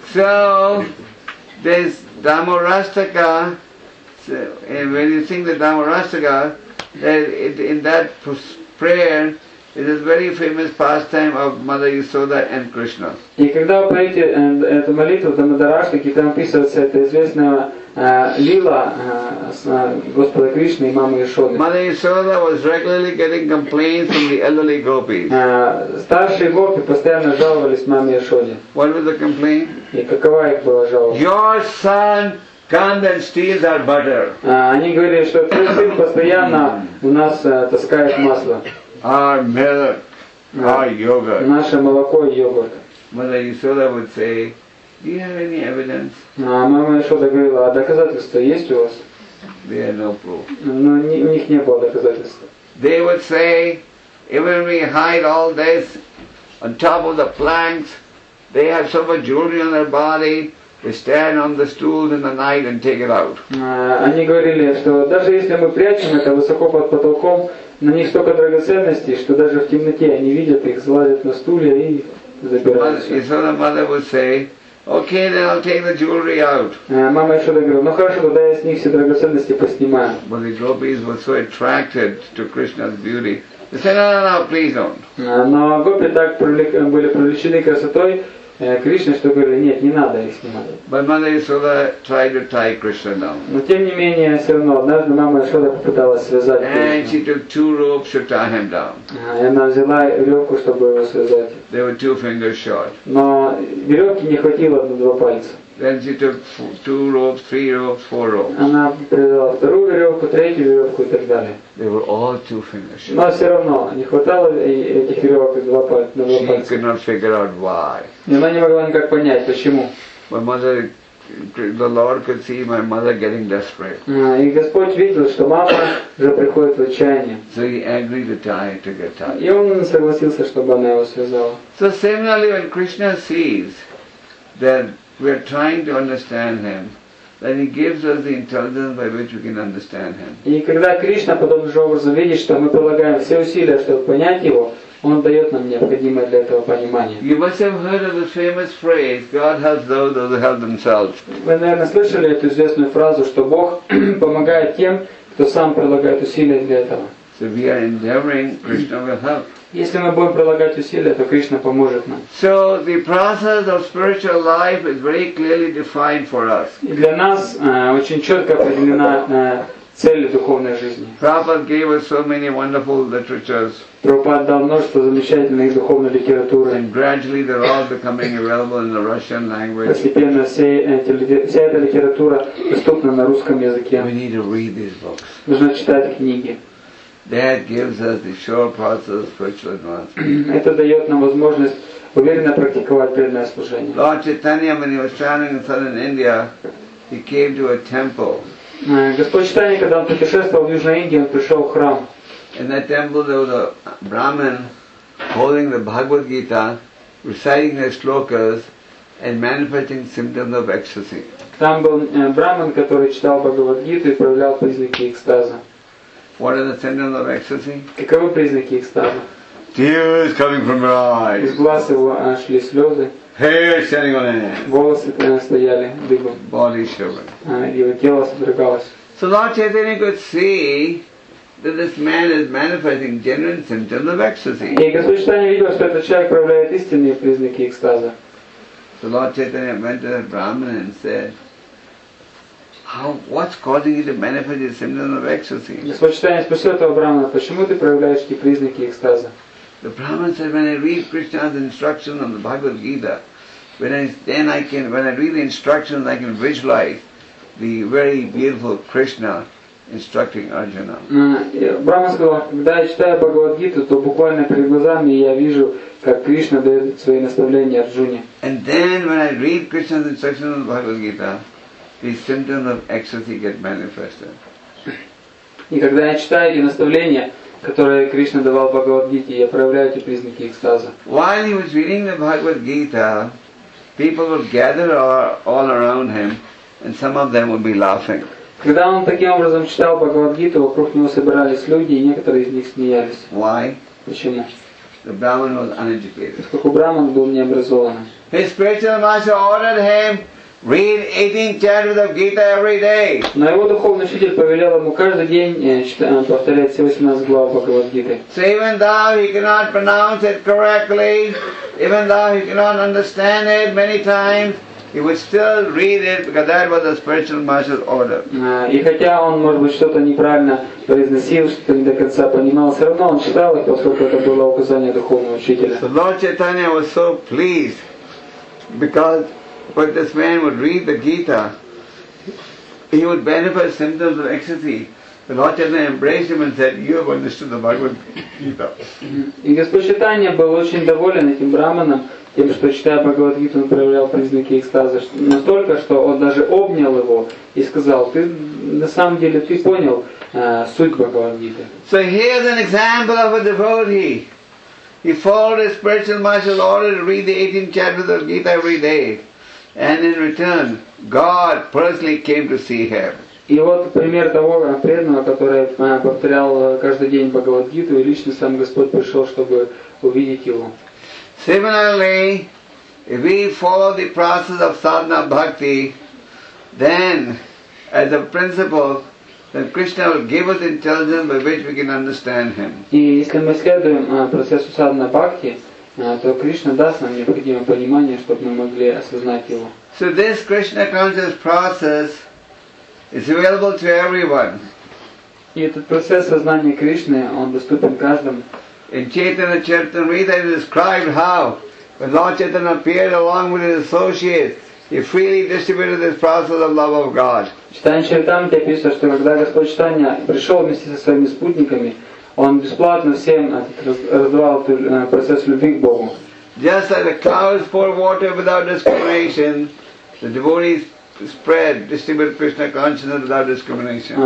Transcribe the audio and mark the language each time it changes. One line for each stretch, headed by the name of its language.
English: So this Dhammarashtaka, and when you sing the Dhammarashtaka, in that prayer. It is very famous pastime of Mother Yasoda and Krishna.
Russian: И когда вы поете эту молитву, там Дамодараштаке, там описывается эта известная лила Господа Кришны и мамы Ясоды.
English: Mother Yasoda was regularly getting complaints from the elderly gopis.
Russian: Старшие гопи постоянно жаловались маме Ясоде.
English: What was the complaint?
Russian: И какова их была жалоба?
English: Your son comes and steals our butter.
Russian: Они говорили, что твой сын постоянно у нас таскает масло.
English: Our milk, our yogurt.
Russian: Наше молоко и йогурт.
English: Mother Yasoda would say, "Do you have any evidence?"
Russian: Мама Ясода говорила, а доказательства есть у вас?
English: There are no proof.
Russian: Но у них не было доказательств.
English: They would say, "Even we hide all this on top of the planks, they have so much jewelry on their body." They stand on the stools in the night and take it out.
Russian: Они говорили, что даже если мы прячем это высоко под потолком, на них столько драгоценностей, что даже в темноте они видят их, залазят на стулья и забирают.
English: So the mother would say, "Okay, then I'll take the jewelry out."
Russian: Мама еще говорила, ну хорошо, тогда я с них все драгоценности поснимаю.
English: But the gopis were so attracted to Krishna's beauty. They said, "No, please don't."
Russian: Но гопи так были привлечены красотой Кришна, что говорили, нет, не надо их снимать.
English: But Mother Yasoda tried to tie Krishna down.
Russian: Но тем не менее, все равно, однажды мама Ясода попыталась связать Кришну.
English: And she took two ropes to tie him down.
Russian: И она взяла веревку, чтобы его связать.
English: They were two fingers short.
Russian: Но веревки не хватило на два пальца.
English: Then she took two ropes, three ropes, four ropes.
Russian: Она привязала вторую веревку, третью веревку и так далее.
English: They were all two fingers.
Russian: Но все равно не хватало этих веревок на два пальца.
English: She could not figure out why.
Russian: Она не могла никак понять, почему.
English: My mother, the Lord could see my mother getting desperate.
Russian: И Господь видел, что мама уже приходит в отчаяние.
English: So he agreed to tie it to get tied.
Russian: И он согласился, чтобы она его связала.
English: So similarly, when Krishna sees that we are trying to understand him, then he gives us the intelligence by which we can understand him.
Russian: И когда Кришна подобным же образом видит, что мы прилагаем все усилия, чтобы понять его, он дает нам необходимое для этого понимание.
English: You must have heard of the famous phrase, "God helps those who help themselves."
Russian: Вы, наверное, слышали эту известную фразу, что Бог помогает тем, кто сам прилагает усилия для этого.
English: So we are endeavoring, Krishna will help.
Russian: Если мы будем прилагать усилия, то Кришна поможет нам.
English: So the process of spiritual life is very clearly defined for us.
Russian: И для нас очень четко определена цель духовной жизни.
English: Prabhupada gave us so many wonderful literatures.
Russian: Прабхупада дал множество замечательной духовной литературы.
English: And gradually they're all becoming available in the Russian language.
Russian: Постепенно вся эта литература доступна на русском языке.
English: We need to read these books.
Russian: Нужно читать книги.
English: That gives us the sure process of spiritual advancement.
Russian: Это дает нам возможность уверенно практиковать преданное служение.
English: Lord Chaitanya, when he was traveling in southern India, he came to a temple.
Russian: Господь Чайтанья, когда он путешествовал в Южной Индии, он пришел в храм.
English: In that temple there was a Brahmin holding the Bhagavad Gita, reciting the slokas and manifesting symptoms of ecstasy.
Russian: Там был Брахман, который читал Бхагавад Гиту и проявлял признаки экстаза.
English: What are the symptoms of ecstasy?
Russian: Каковы признаки экстаза?
English: Tears coming from your eyes.
Russian: Из глаз его шли слезы.
English: Hair standing on end.
Russian: Волосы стояли дыбом.
English: Body shivering.
Russian: Его тело содрогалось.
English: So Lord Chaitanya could see that this man is manifesting genuine symptoms of ecstasy.
Russian: И Господь Чайтанья видел, что этот человек проявляет истинные признаки экстаза.
English: So Lord Chaitanya went to the Brahmin and said, what's causing you to manifest the symptoms of ecstasy?
Russian: Господь Чайтанья спросил этого Брахмана, почему ты проявляешь эти признаки экстаза?
English: The Brahmin said, when I read Krishna's instructions on the Bhagavad Gita, when I read the instructions, I can visualize the very beautiful Krishna instructing Arjuna.
Russian: Брахман сказал, когда я читаю Бхагавад Гиту, то буквально перед глазами я вижу, как Кришна дает свои наставления Арджуне.
English: And then when I read Krishna's instructions on the Bhagavad Gita, the symptoms of ecstasy get manifested.
Russian: И когда я читаю эти наставления, которые Кришна давал в Бхагавад-гите, я проявляю эти признаки экстаза.
English: While he was reading the Bhagavad Gita, people would gather all around him, and some of them would be laughing.
Russian: Когда он таким образом читал Бхагавад-гиту, вокруг него собирались люди, и некоторые из них смеялись.
English: Why?
Russian: Почему?
English: The Brahman was uneducated.
Russian: Поскольку Браман был необразованным.
English: His spiritual master ordered him read 18 chapters of Gita every day.
Russian: Но его духовный учитель повелел ему каждый день повторять все 18 глав Бхагавад-гиты.
English: So even though he cannot pronounce it correctly, even though he cannot understand it many times, he would still read it because that was the spiritual master's order.
Russian: И хотя он, может быть, что-то неправильно произносил, что-то не до конца понимал, все равно он читал их, поскольку это было указание духовного учителя.
English: So Lord Chaitanya was so pleased because when this man would read the Gita, he would benefit symptoms of ecstasy. The Lord Chaitanya embraced him and said, "You have understood the Bhagavad Gita."
Russian: И Господь Чайтанья был очень доволен этим браманом. Тем, что читая Бхагавад-гиту, он проявлял признаки экстаза настолько, что он даже обнял его и сказал, ты на самом деле ты понял суть Бхагавад-гиты.
English: So here's an example of a devotee. He followed his spiritual master's order to read the 18 chapters of Gita every day. And in return, God personally came to see him.
Russian: И вот пример того преданного, который повторял каждый день Бхагавад-гиту, и лично сам Господь пришел, чтобы увидеть его.
English: Similarly, if we follow the process of sadhana bhakti, then as a principle, then Krishna will give us intelligence by which we can understand him.
Russian: И если мы следуем процессу sadhana bhakti, то Кришна даст нам необходимое понимание, чтобы мы могли осознать его.
English: So this Krishna conscious process is available to everyone.
Russian: И этот процесс сознания Кришны, он доступен каждому.
English: In Chaitanya Charitamrita it is described how when Lord Chaitanya appeared along with his associates, he freely distributed this process of love of God.
Russian: Читание Чайтанья описывает, что когда Господь Чайтанья пришел вместе со своими спутниками, он бесплатно всем раздавал процесс любви к Богу.
English: Just as the clouds pour water without discrimination, the devotees spread, distribute Krishna consciousness without discrimination.